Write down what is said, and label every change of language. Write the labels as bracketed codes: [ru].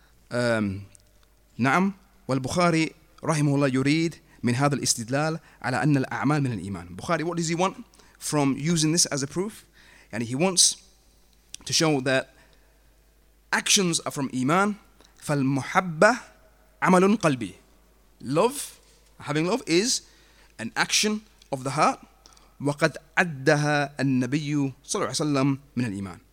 [ar] نعم, والبخاري رحمه الله يريد من هذا الاستدلال على أن الأعمال من الإيمان. [en] بخاري, what does he want from using this as a proof? يعني he wants to show that actions are from إيمان. [ar] فالمحبة عمل قلبي. [en] Love, having love is an action of the heart. [ar] وقد عدها النبي صلى الله عليه وسلم من الإيمان.